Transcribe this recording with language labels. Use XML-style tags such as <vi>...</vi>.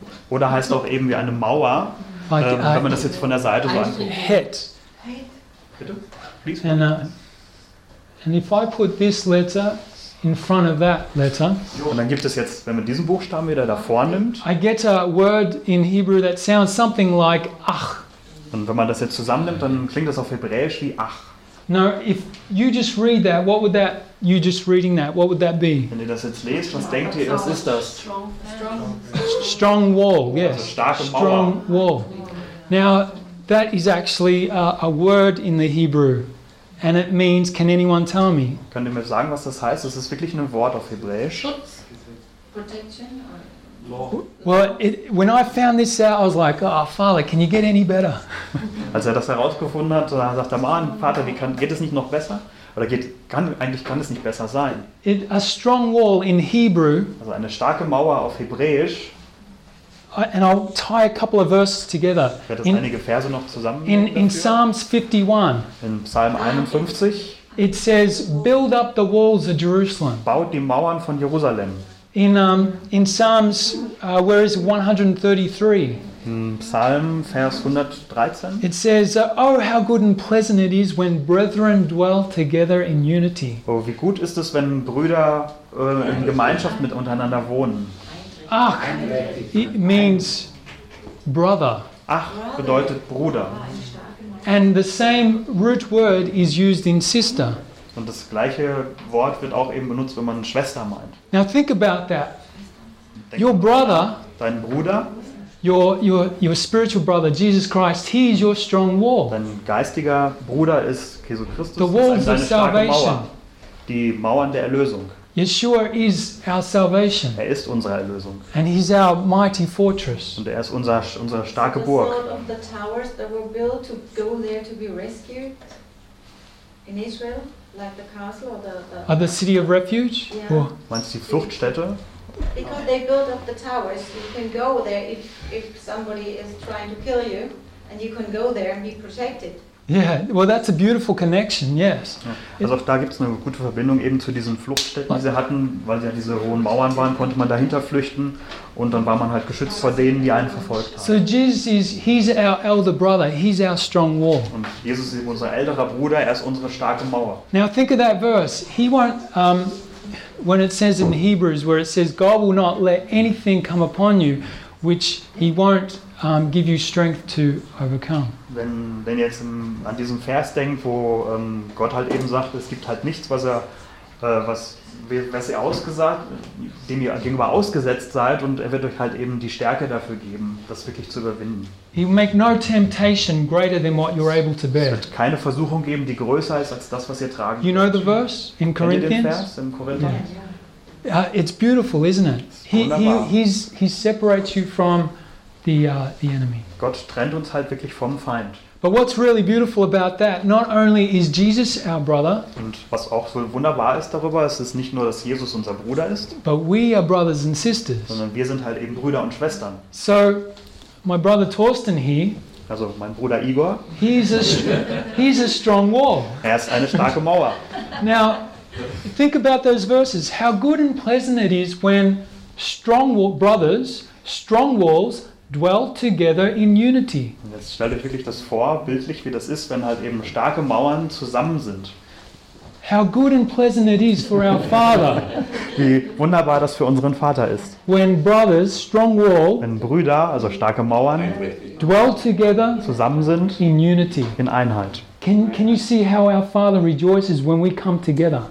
<de>Oder heißt auch eben wie eine Mauer, like, wenn man das jetzt von der Seite so anguckt.</de> <en>Head.</en> <de>Bitte.</de> <en>And if I put this letter in front of that letter,</en> <de>und dann gibt es jetzt, wenn man diesen Buchstaben wieder davor nimmt,</de> <en>I get a word in Hebrew that sounds something like ach.</en> <de>Und wenn man das jetzt zusammennimmt, dann klingt das auf Hebräisch wie ach.</de> <en>Now, if you just read that, what would that be?</en> <de>Wenn ihr das jetzt lest, was denkt ihr, was ist das?</de> <en>Strong wall, yes.</en> <de>Also starke Mauer.</de> <en>Strong wall. Now, that is actually a word in the Hebrew. And it means, can anyone tell me?</en> <de>Könnt ihr mir sagen, was das heißt? Das ist wirklich ein Wort auf Hebräisch. Schutz? Protection?</de> <en>Law? Well, when I found this out, I was like, oh, Father, can you get any better?</en> <de>Als er das herausgefunden hat, da sagt er, Mann, Vater, geht es nicht noch besser? Oder kann es nicht besser sein?</de> <en>A strong wall in Hebrew.</en> <de>Also eine starke Mauer auf Hebräisch.</de> <en>And I'll tie a couple of verses together.</en> <de>Ich werde einige Verse noch zusammen.</de> <en>In Psalms 51.</en> <de>In Psalm 51.</de> <en>It says, "Build up the walls of Jerusalem."</en> <de>Baut die Mauern von Jerusalem.</de> <en>In Psalms, where is 133?</en> <de>In Psalm Vers 113.</de> <en>It says, "Oh, how good and pleasant it is when brethren dwell together in unity."</en> <de>Oh, wie gut ist es, wenn Brüder in Gemeinschaft mit untereinander wohnen.</de> <en>Ach, it means brother.</en> <de>Ach bedeutet Bruder.</de> <en>And the same root word is used in sister.</en> <de>Und das gleiche Wort wird auch eben benutzt, wenn man Schwester meint.</de> <en>Now think about that. Your brother,</en> <de>dein Bruder,</de> <en>your spiritual brother Jesus Christ, he is your strong wall.</en> <de>Dein geistiger Bruder ist Jesus Christus.</de> <en>The walls of salvation.</en> <de>Die Mauern der Erlösung.</de> <en>Yeshua is our salvation.</en> <de>Er ist unsere Erlösung.</de> <en>And he's our mighty fortress.</en> <de>Und er ist unsere starke Burg.</de> <en>One of the towers that were built to go there to be rescued in Israel, like the castle or the city of refuge. Yeah. Oh.</en> <de>Meinst du die Fluchtstätte?</de> <en>Because they built up the towers, you can go there if somebody is trying to kill you, and you can go there and be protected. Yeah, well, that's a beautiful connection, yes.</en> <de>Also auch da gibt es eine gute Verbindung eben zu diesen Fluchtstätten, die sie hatten, weil sie ja diese hohen Mauern waren, konnte man dahinter flüchten und dann war man halt geschützt vor denen, die einen verfolgt haben.</de> <en>So Jesus is our elder brother, he's our strong wall.</en> <de>Und Jesus ist unser älterer Bruder, er ist unsere starke Mauer.</de> <en>Now think of that verse, he won't, when it says in Hebrews, where it says, God will not let anything come upon you, which he won't, give you strength to overcome.</en> <de>Wenn ihr jetzt an diesen Vers denkt, wo Gott halt eben sagt, es gibt halt nichts, dem ihr gegenüber ausgesetzt seid, und er wird euch halt eben die Stärke dafür geben, das wirklich zu überwinden.</de> <en>He will make no temptation greater than what you're able to bear.</en> <de>Es wird keine Versuchung geben, die größer ist als das, was ihr tragen könnt.</de> <en>You know the verse in Corinthians?</en> <de>Kennt ihr den Vers im Korinther?</de> <en>Yeah. It's beautiful, isn't it? He separates you from the enemy.</en> <de>Gott trennt uns halt wirklich vom Feind.</de> <en>But what's really beautiful about that, not only is Jesus our brother,</en> <de>und was auch so wunderbar ist darüber, es ist nicht nur, dass Jesus unser Bruder ist,</de> <en>but we are brothers and sisters,</en> <de>sondern wir sind halt eben Brüder und Schwestern.</de> <en>So my brother Thorsten here,</en> <de>also mein Bruder Igor,</de> <en>he's a strong wall.</en> <de>Er ist eine starke Mauer.</de> <en>Now think about those verses, how good and pleasant it is when strong walls dwell together in unity.</en> <de>Jetzt stellt euch wirklich das vor, bildlich, wie das ist, wenn halt eben starke Mauern zusammen sind.</de> <en>How good and pleasant it is for our Father.</en> <de>Wie wunderbar das für unseren Vater ist.</de> <en>When brothers, strong wall,</en> <de>wenn Brüder, also starke Mauern,</de> <en>dwell together,</en> <de>zusammen sind,</de> <en>in unity,</en> <de>in Einheit.</de> <en>Can you see how our Father rejoices when we come together?</en>